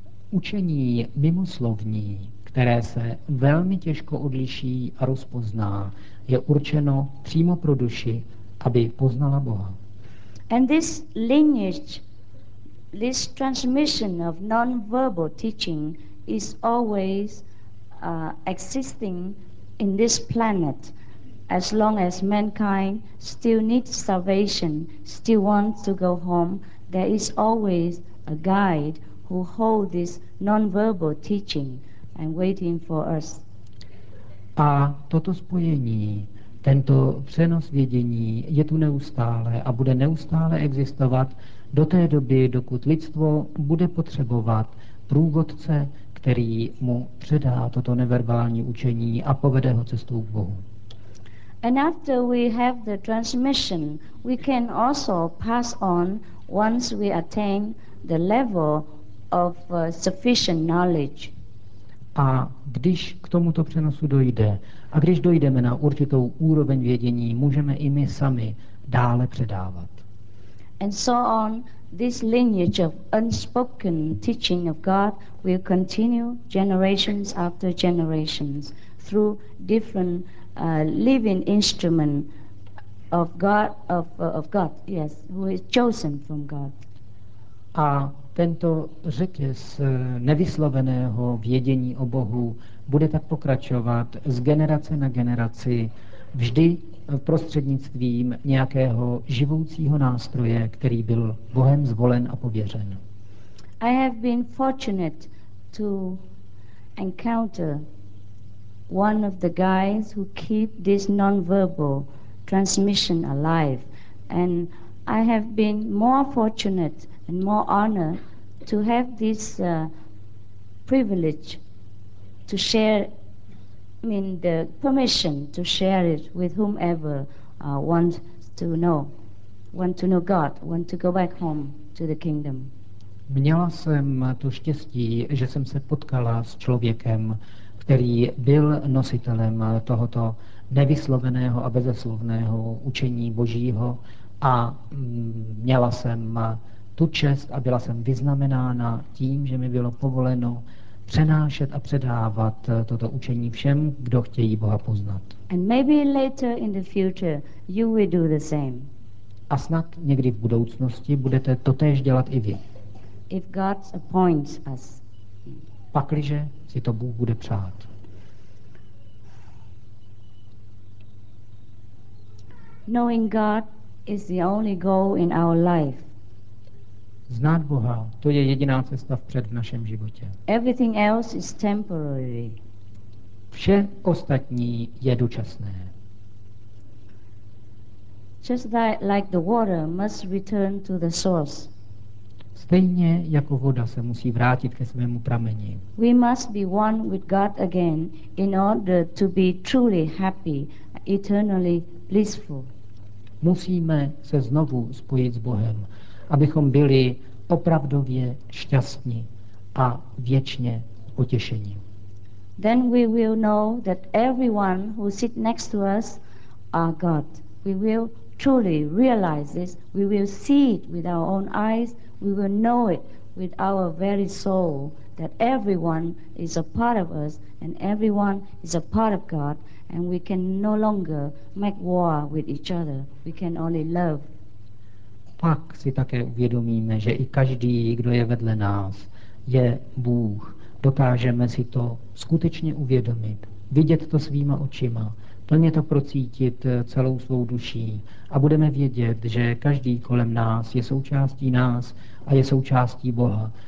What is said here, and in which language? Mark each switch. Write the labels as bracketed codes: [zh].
[cs] Učení mimoslovní, které se velmi těžko odliší a rozpozná, je určeno přímo pro duši, aby poznala Boha. [en] And this lineage, this transmission of non-verbal teaching is always existing in this planet. As long as mankind still needs salvation, still wants to go home, there is always a guide who holds this non-verbal teaching and waiting for us. [cs] A toto spojení, tento přenos vědění je tu neustále a bude neustále existovat do té doby, dokud lidstvo bude potřebovat průvodce, který mu předá toto neverbální učení a povede ho cestou k Bohu. [en] And after we have the transmission, we can also pass on once we attain the level of sufficient knowledge. [cs] A když k tomuto přenosu dojde, a když dojdeme na určitou úroveň vědění, můžeme i my sami dále předávat. [en] And so on, this lineage of unspoken teaching of God will continue generations after generations through different living instrument of God, yes, who is chosen from God. [cs] A tento řetěz nevysloveného vědění o Bohu bude tak pokračovat z generace na generaci, vždy prostřednictvím nějakého živoucího nástroje, který byl Bohem zvolen a pověřen. [en] I have been fortunate to encounter one of the guys who keep this non-verbal transmission alive, and I have been more fortunate and more honored to have this privilege to share, the permission to share it with whomever wants to know God, want to go back home to the kingdom. [cs] Měla jsem to štěstí, že jsem se potkala s člověkem, který byl nositelem tohoto nevysloveného a bezeslovného učení Božího, a měla jsem tu čest a byla jsem vyznamenána tím, že mi bylo povoleno přenášet a předávat toto učení všem, kdo chtějí Boha poznat. [en] And maybe later in the future you will do the same. [cs] A snad někdy v budoucnosti budete totéž dělat i vy. [en] If God appoints us. [cs] Pakliže si to Bůh bude přát. [en] Knowing God is the only goal in our life. [cs] Znát Boha, to je jediná cesta vpřed v našem životě. [en] Everything else is temporary. [cs] Vše ostatní je dočasné. [en] Just like the water must return to the source. [cs] Stejně jako voda se musí vrátit ke svému prameni. [en] We must be one with God again in order to be truly happy, eternally blissful. [cs] Musíme se znovu spojit s Bohem, abychom byli opravdově šťastní a věčně potěšení. [en] Then we will know that everyone who sit next to us are God. We will truly realize this. We will see it with our own eyes. We will know it with our very soul that everyone is a part of us and everyone is a part of God, and we can no longer make war with each other. We can only love. [cs] Pak si také uvědomíme, že i každý, kdo je vedle nás, je Bůh. Dokážeme si to skutečně uvědomit, vidět to svýma očima, plně to procítit celou svou duší, a budeme vědět, že každý kolem nás je součástí nás a je součástí Boha.